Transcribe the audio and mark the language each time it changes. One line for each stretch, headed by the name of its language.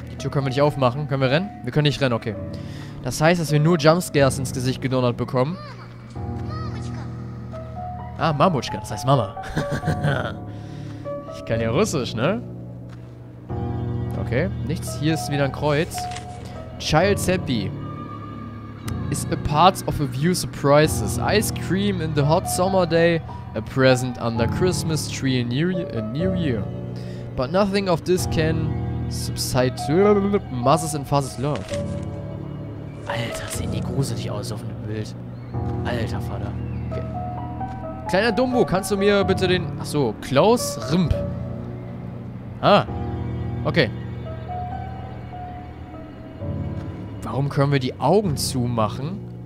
German: Können wir nicht aufmachen? Können wir rennen? Wir können nicht rennen, okay. Das heißt, dass wir nur Jumpscares ins Gesicht gedonnert bekommen. Ah, Mamutschka, das heißt Mama. Ich kann ja Russisch, ne? Okay, nichts. Hier ist wieder ein Kreuz. Child Seppi.
English: is a part of a view surprises. Ice cream in the hot summer day, a present under Christmas tree in a new year. But nothing of this can subside to Mothers and Fathers love.
German: Alter, sehen die gruselig aus auf dem Bild. Alter Vater. Okay. Kleiner Dumbo, kannst du mir bitte den... Achso, Klaus Rimp. Ah, okay. Warum können wir die Augen zumachen?